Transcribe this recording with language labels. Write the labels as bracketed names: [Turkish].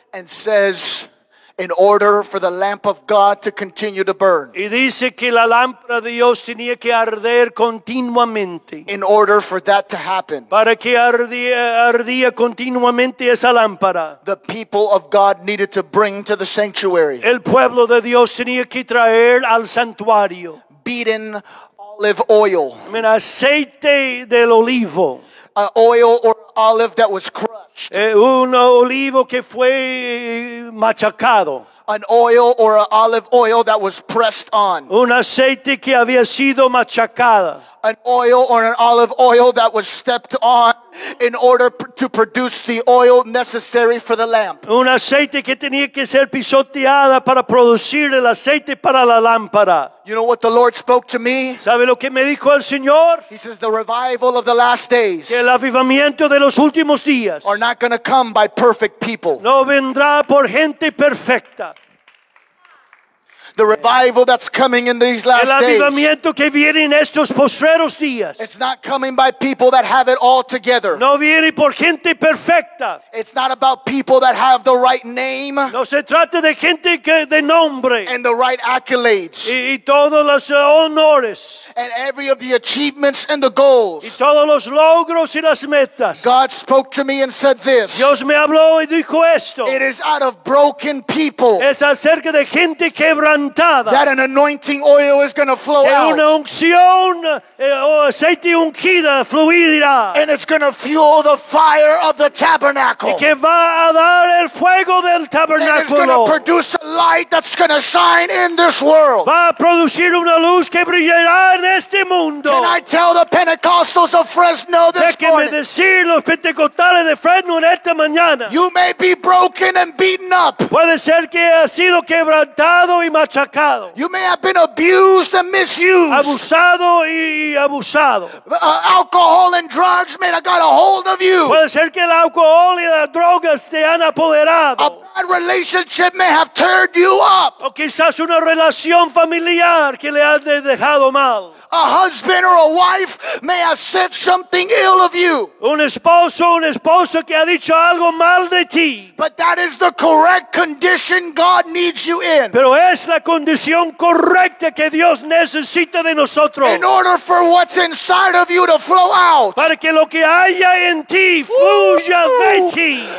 [English] and says, in order for the lamp of God to continue to burn, [Spanish] y dice que la lámpara de Dios tenía que arder continuamente, [English] in order for that to happen, [Spanish] para que ardía continuamente esa lámpara, [English] the people of God needed to bring to the sanctuary, [Spanish] el pueblo de Dios tenía que traer al santuario, [English] beaten olive oil, [Spanish] el aceite del olivo, [English] an oil or olive that was crushed, [Spanish] un olivo que fue machacado, [English] an oil or an olive oil that was pressed on, [Spanish] un aceite que había sido machacada, [English] an oil or an olive oil that was stepped on in order to produce the oil necessary for the lamp, [Spanish] un aceite que tenía que ser pisoteada para producir el aceite para la lámpara. [English] You know what the Lord spoke to me? [Spanish] ¿Sabe lo que me dijo el Señor? [English] He says the revival of the last days, [Spanish] que el avivamiento de los últimos días, [English] are not going to come by perfect people, [Spanish] no vendrá por gente perfecta. [English] The revival that's coming in these last [Spanish] el avivamiento [English] days, [Spanish] que viene en estos postreros días, [English] it's not coming by people that have it all together, [Spanish] no viene por gente perfecta. [English] It's not about people that have the right name, [Spanish] no se trata de gente que, de nombre, [English] and the right accolades, [Spanish] y todos los honores, [English] and every of the achievements and the goals, [Spanish] y todos los logros y las metas. [English] God spoke to me and said this, [Spanish] Dios me habló y dijo esto, [English] it is out of broken people, [Spanish] es acerca de gente quebrada, [English] that an anointing oil is going to flow out. [Spanish] Una unción, aceite ungida fluirá. [English] And it's going to fuel the fire of the tabernacle. [Spanish] Y que va a dar el fuego del tabernáculo. [English] And it's going to produce a light that's going to shine in this world. [Spanish] Va a producir una luz que brillará en este mundo. [English] Can I tell the Pentecostals of Fresno this morning? [Spanish] Déjeme decir los pentecostales de Fresno en esta mañana. [English] You may be broken and beaten up. [Spanish] Puede ser que ha sido quebrantado. [English] You may have been abused and misused. [Spanish] Abusado y abusado. [English] Alcohol and drugs may have got a hold of you. [Spanish] Puede ser que el alcohol y las drogas te han apoderado. [English] A bad relationship may have turned you up. [Spanish] O quizás una relación familiar que le ha dejado mal. [English] A husband or a wife may have said something ill of you. [Spanish] Un esposo, una esposa que ha dicho algo mal de ti. [English] But that is the correct condition God needs you in. [Spanish] Pero es la condición correcta que Dios necesita de nosotros. [English] In order for what's inside of you to flow out. [Spanish] Para que lo que haya en ti fluya de ti.